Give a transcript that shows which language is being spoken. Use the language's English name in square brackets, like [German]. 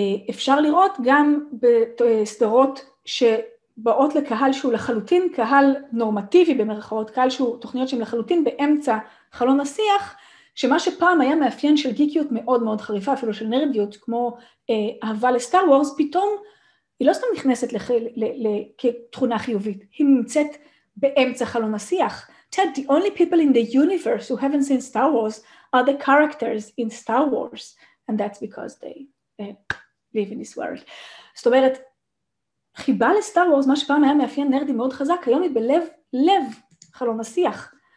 [Hebrew] אפשר לראות גם בסדרות שבאות לקהל שהוא לחלוטין, קהל נורמטיבי במרכאות, קהל שהוא תוכניות שהן לחלוטין באמצע חלון השיח, שמה שפעם היה מאפיין של גיקיות מאוד מאוד חריפה, אפילו של נרדיות, כמו אהבה לסטאר וורס, פתאום היא לא סתם נכנסת כתכונה חיובית, היא נמצאת באמצע חלון השיח. [English] Ted, the only people in the universe who haven't seen Star Wars are the characters in Star Wars, and that's because they live in this world. [Hebrew] זאת אומרת, חיבה לסטאר וורס, מה שפעם היה מאפיין נרדי מאוד חזק, היום היא בלב לב חלון השיח.